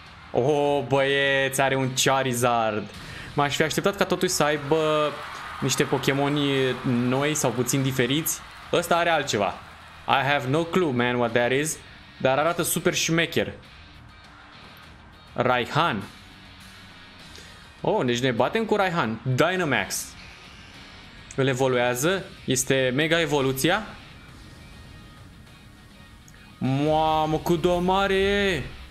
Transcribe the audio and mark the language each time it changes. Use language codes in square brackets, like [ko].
[ro] Oh, băieți, are un Charizard. M-aș fi așteptat ca totuși să aibă niște Pokémon noi sau puțin diferiți. Ăsta are altceva. [en] I have no clue, man, what that is. [ro] Dar arată super șmecher. Raihan. Oh, deci ne batem cu Raihan. Dynamax. Îl evoluează. Este mega evoluția. Mamă, cât de mare e!